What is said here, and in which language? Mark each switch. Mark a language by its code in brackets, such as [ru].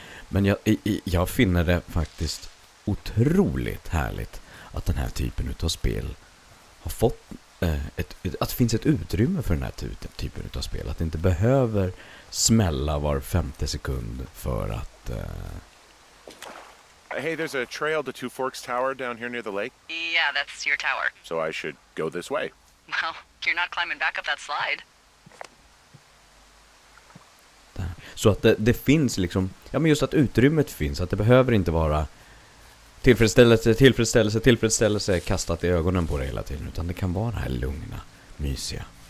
[sv] Men jag finner det faktiskt otroligt härligt att den här typen av spel har fått, att det finns ett utrymme för den här typen av spel. Att det inte behöver smälla var femte sekund för att... [en] Hey, there's a trail to Two Forks Tower down here near the lake. Yeah, that's your tower. So I should go this way. Well, you're not climbing back up that slide. [sv] Så att det finns liksom, ja men just att utrymmet finns, att det behöver inte vara tillfredsställelse, tillfredsställelse, tillfredsställelse kastat i ögonen på det hela tiden, utan det kan vara det här lugna, mysiga.